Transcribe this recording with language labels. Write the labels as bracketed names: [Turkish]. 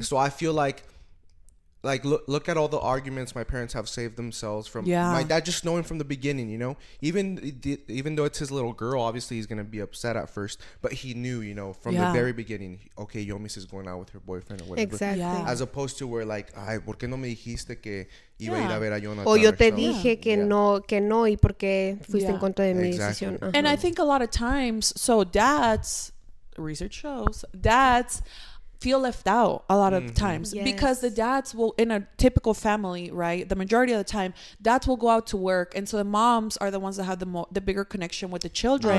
[English] So I feel like, look at all the arguments my parents have saved themselves from. Yeah. My dad just knowing from the beginning, you know, even though it's his little girl, obviously he's going to be upset at first, but he knew, you know, from the very beginning, okay, Yomis is going out with her boyfriend or whatever. Exactly. Yeah. As opposed to where like, [Spanish] ay, ¿por qué no me dijiste que iba a ir a ver a Jonathan? O yo te dije que no y por qué fuiste en contra de mi decisión. Uh-huh. [English] And I think a lot of times, so dads, research shows, dads feel left out a lot of times because the dads will, in a typical family, right, the majority of the time dads will go out to work, and so the moms are the ones that have the bigger connection with the children.